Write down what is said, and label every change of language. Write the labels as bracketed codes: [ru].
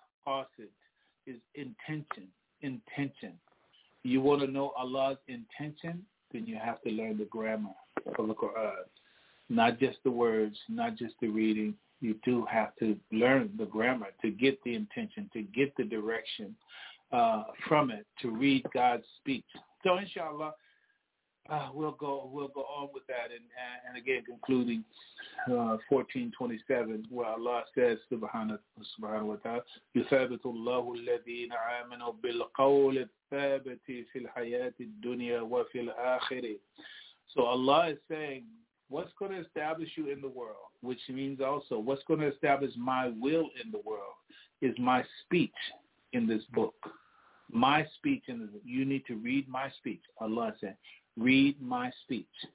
[en] Qasid is intention. You want to know Allah's intention, then you have to learn the grammar of the Quran. Not just the words, not just the reading, you do have to learn the grammar to get the intention, to get the direction from it, to read God's speech. So inshallah, we'll go on with that. And again, concluding 14:27, where Allah says, [ar] Subhanahu wa ta'ala, يُثَابِتُ اللَّهُ الَّذِينَ آمَنُوا بِالْقَوْلِ الثَّابِتِ فِي الْحَيَاةِ الدُّنْيَا وَفِي الْآخِرِ. [en] So Allah is saying, what's going to establish you in the world, which means also what's going to establish my will in the world is my speech in this book. My speech in the book. You need to read my speech. Allah is saying, read my speech.